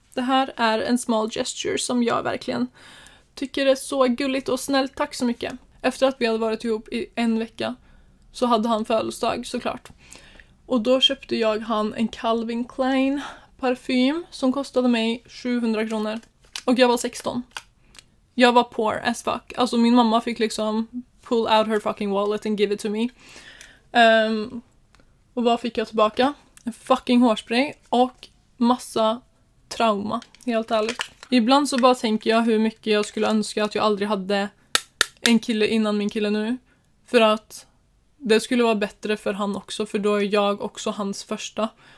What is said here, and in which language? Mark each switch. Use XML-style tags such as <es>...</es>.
<sv>Det här är en small gesture som jag verkligen tycker är så gulligt och snällt. Tack så mycket. Efter att vi hade varit ihop i 1 vecka så hade han födelsedag såklart. Och då köpte jag han en Calvin Klein parfym som kostade mig 700 kronor. Och jag var 16. Jag var poor as fuck.</sv> <en>Alltså min mamma fick liksom pull out her fucking wallet and give it to me.</en> <sv>Och vad fick jag tillbaka? En fucking hårspray och massa trauma, helt ärligt. Ibland så bara tänker jag hur mycket jag skulle önska att jag aldrig hade en kille innan min kille nu. För att det skulle vara bättre för han också, för då är jag också hans första.</sv>